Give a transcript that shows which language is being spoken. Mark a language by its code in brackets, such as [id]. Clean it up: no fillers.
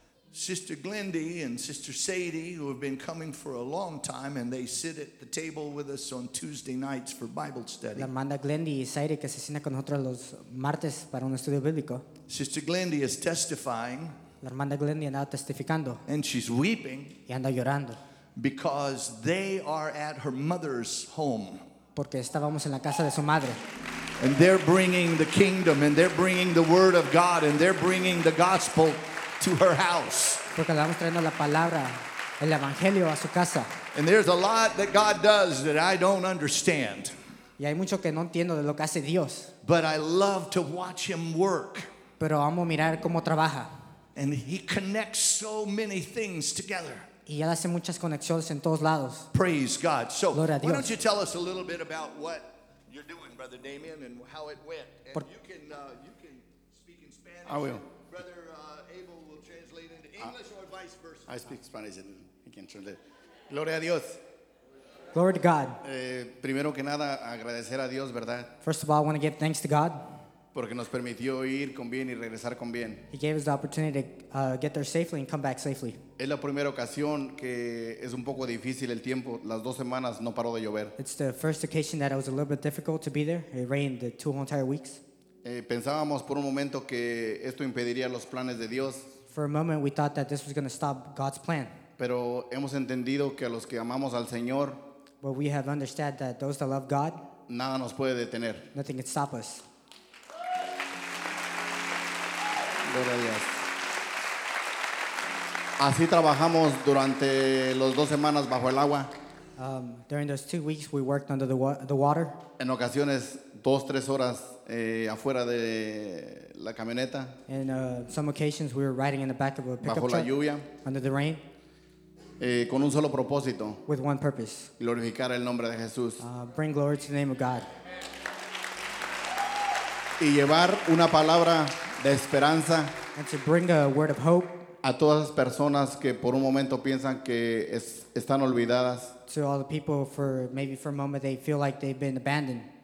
[en] Sister Glendy and Sister Sadie, who have been coming for a long time, and they sit at the table with us on Tuesday nights for Bible study. [es] La hermana Glendy y Sadie que se sienta con nosotros los martes para un estudio bíblico. [en] Sister Glendy is testifying. [es] La hermana Glendy anda testificando. [en] And she's weeping. [es] Y anda llorando. [en] Because they are at her mother's home. [es] Porque estábamos en la casa de su madre. [en] And they're bringing the kingdom, and they're bringing the word of God, and they're bringing the gospel to her house. [es] Porque le vamos trayendo la palabra, el evangelio a su casa. [en] And there's a lot that God does that I don't understand. [es] Y hay mucho que no entiendo de lo que hace Dios. [en] But I love to watch him work. [es] Pero amo mirar cómo trabaja. [en] And he connects so many things together. [es] Y él hace muchas conexiones en todos lados. [en] Praise God. So, why don't you tell us a little bit about what you're doing, Brother Damien, and how it went? And you can speak in Spanish. I will. Brother Abel will translate into English or vice versa. I speak Spanish and he can translate. [es] Gloria a Dios. [en] Glory to God. [es] Primero que nada, agradecer a Dios, ¿verdad? [en] First of all, I want to give thanks to God. [es] Porque nos permitió ir con bien y regresar con bien. [en] He gave us the opportunity to get there safely and come back safely. [es] Es la primera ocasión que es un poco difícil el tiempo. Las dos semanas no paró de llover. [en] It's the first occasion that it was a little bit difficult to be there. It rained the two entire weeks. [es] Pensábamos por un momento que esto impediría los planes de Dios. [en] For a moment we thought that this was going to stop God's plan. [es] Pero hemos entendido que a los que amamos al Señor, [en] but we have understood that those that love God, [es] nada nos puede detener. [en] Nothing can stop us. [es] Gloria a Dios. Así trabajamos durante las dos semanas bajo el agua. [en] During those 2 weeks we worked under the water. [es] En ocasiones dos, tres horas afuera de la camioneta. [en] In some occasions we were riding in the back of a pickup truck. [es] Bajo la lluvia. [en] Under the rain. [es] Con un solo propósito. [en] With one purpose. [es] Glorificar el nombre de Jesús. [en] Bring glory to the name of God. [es] y llevar una palabra de esperanza [en] and to bring a word of hope [es] a todas las personas que por un momento piensan que están olvidadas. [en] To all the people, for maybe for a moment they feel like they've been abandoned.